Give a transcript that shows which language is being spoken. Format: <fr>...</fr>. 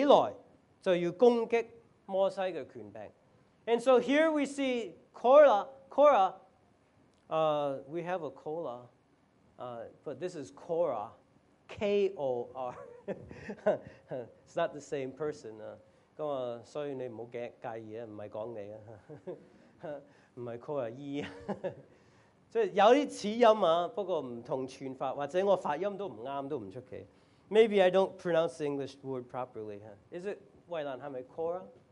<zh>但是我們看到呢,就是這裡有一班人叫,一個主領叫何拉,他是一個利未人,他起來就要攻擊摩西的權柄。</zh> <en>And so here we see Korah, we have a Cola, but this is Korah, K-O-R. It's not the same person.</en> <zh>所以你不要介意,不是說你,不是Korah-E. 有些齒音,不過不同傳法,或者我發音都不對,都不出奇。</zh> <en>Maybe I don't pronounce the English word properly. Huh? Is it</en> <zh>外蘭,是不是</zh> <en>Korah?</en>